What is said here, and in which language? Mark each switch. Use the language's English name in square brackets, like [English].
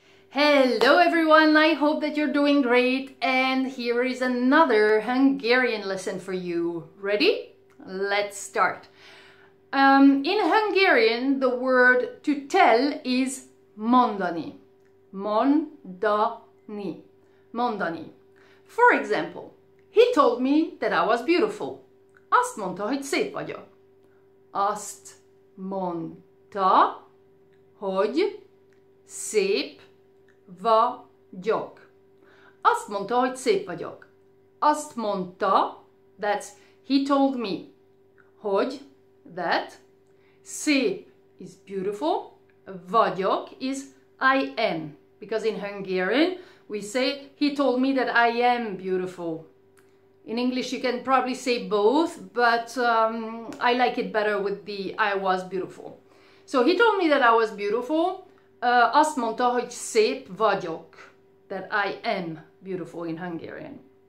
[English] Hello everyone, I hope that you're doing great, and here is another Hungarian lesson for you. Ready? Let's start. In Hungarian, the word to tell is mondani. Mondani. Mondani. For example, he told me that I was beautiful. [Hungarian] Azt mondta, hogy szép vagyok. Azt mondta, hogy szép vagyok. Azt mondta, hogy szép vagyok. Azt mondta, [English] that's he told me, hogy, that, szép is beautiful, vagyok is I am. Because in Hungarian, we say, he told me that I am beautiful. In English, you can probably say both, but I like it better with the I was beautiful. So he told me that I was beautiful. [Hungarian] Azt mondta, hogy szép vagyok, [English] that I am beautiful in Hungarian.